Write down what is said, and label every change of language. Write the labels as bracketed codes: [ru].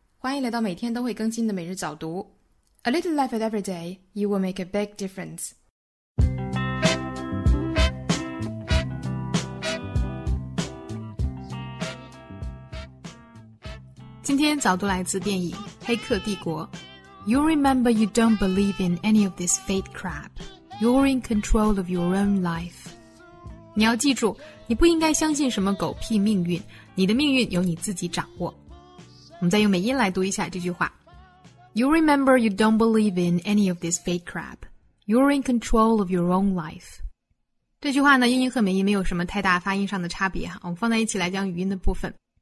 [zh] 欢迎来到每天都会更新的每日早读。 [en] A little life at every day, you will make a big difference. [zh] 今天早读来自电影《黑客帝国》。 [en] You remember you don't believe in any of this fate crap. You're in control of your own life. [zh] 你要记住，你不应该相信什么狗屁命运，你的命运由你自己掌握。我们再用美音来读一下这句话。 [en] You remember you don't believe in any of this fate crap. You're in control of your own life. [zh] 这句话呢，英语和美音没有什么太大发音上的差别哈。我们放在一起来讲语音的部分。